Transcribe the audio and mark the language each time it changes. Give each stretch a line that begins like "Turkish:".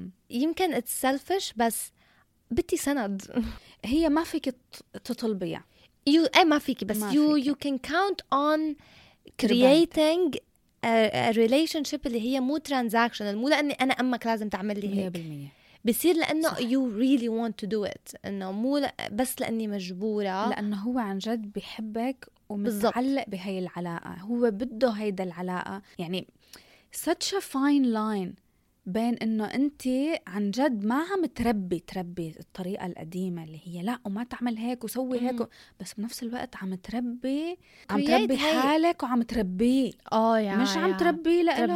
Arabic: يمكن
English: it's selfish
Arabic: بس بدي سند. هي ما فيك تطلبية.
English: You,
Arabic: ما فيك بس ما
English: you can count on creating a relationship
Arabic: اللي هي مو
English: transactional
Arabic: مو لأني أنا أمك لازم تعمل لي 100%. هيك. بصير لأنه صح.
English: you really want to do it
Arabic: إنه مو بس لأني مجبورة لأنه هو عن جد بيحبك ومتعلق بهاي العلاقة هو بده هيدا العلاقة يعني
English: such a fine line
Arabic: بين إنه أنت عن جد ما عم تربي الطريقة القديمة اللي هي لا وما تعمل هيك وسوي هيك بس بنفس الوقت عم تربي حالك وعم تربيه مش عم تربيه لأله